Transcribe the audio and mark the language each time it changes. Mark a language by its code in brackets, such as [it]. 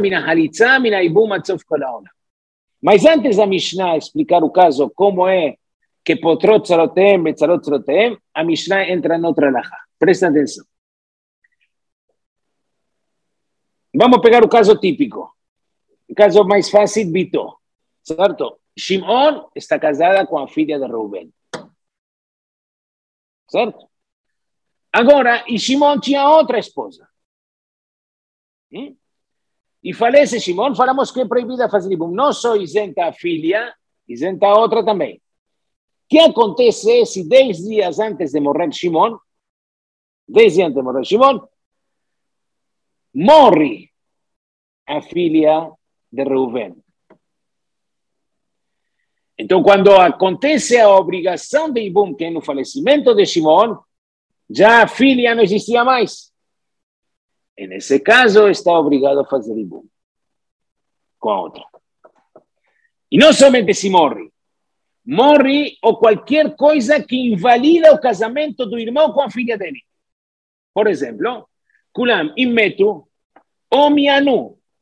[pt] Mina Halitza, Mina Ibum, Atzof, Kolaona. Mas antes da Mishnah explicar o caso, como é que potrot tzarotem, betzarot tzarotem, a Mishnah entra em outra halajá. Presta atenção. Vamos pegar o caso típico. O caso mais fácil, Bito. Certo? Shimon está casada com a filha de Reuben. Certo? Agora, e Shimon tinha outra esposa. E falece Shimon, falamos que é proibida fazer Ibum. Não só isenta a filha, isenta a outra também. O que acontece se 10 dias antes de morrer Shimon, 10 dias antes de morrer Shimon, morre a filha de Reuven? Então, quando acontece a obrigação de Ibum, que é no falecimento de Shimon, já a filha não existia mais. [es] En ese caso, está obligado a hacer Ibum con otra. Y no solamente si morre. [pt] Morre [es] o cualquier cosa que invalida el casamiento del hermano con la hija de él. Por ejemplo, Kulam, Inmetu, Omianu.